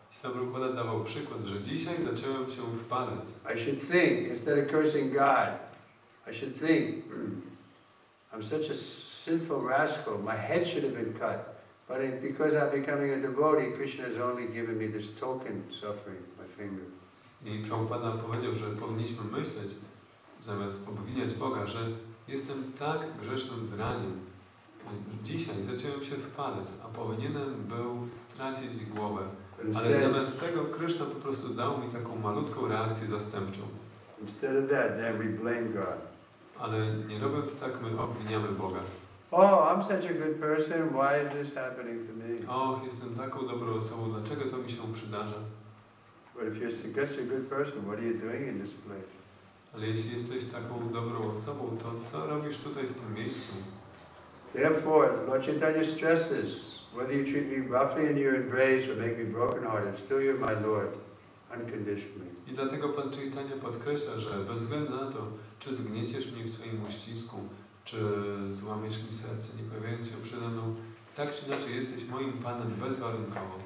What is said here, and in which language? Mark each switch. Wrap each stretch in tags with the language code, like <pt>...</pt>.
<pl>Sam Prabhupada dawał przykład, że dzisiaj zacząłem się wpadać.</pl> <en>I should think, instead of cursing God, I should think, I'm such a sinful rascal. My head should have been cut. But because I'm becoming a devotee, Krishna has only given me this token suffering, my finger.</en> <pl>I Prabhupada powiedział, że powinniśmy myśleć, zamiast obwiniać Boga, że jestem tak grzesznym draniem. Dzisiaj zacząłem się wpadać, a powinienem był stracić głowę. Ale zamiast tego Krishna po prostu dał mi taką malutką reakcję zastępczą.</pl> <en>Instead of that, then we blame God.</en> <pl>Ale nie robiąc tak, my obwiniamy Boga.</pl> <en>Oh, I'm such a good person. Why is this happening to me?</en> <pl>Och, jestem taką dobrą osobą. Dlaczego to mi się przydarza?</pl> <en>But if you're such a good person, what are you doing in this place?</en> <pl>Ale jeśli jesteś taką dobrą osobą, to co robisz tutaj w tym miejscu?</pl> <en>Therefore, Lord Chaitanya stresses, whether you treat me roughly in your embrace or make me broken-hearted, still you're my Lord, unconditionally.</en> <pl>I dlatego Pan Chaitanya podkreśla, że bez względu na to, czy zgnieciesz mnie w swoim uścisku, czy złamiesz mi serce, nie pojawiając się przede mną, tak czy inaczej jesteś moim Panem bezwarunkowo.</pl>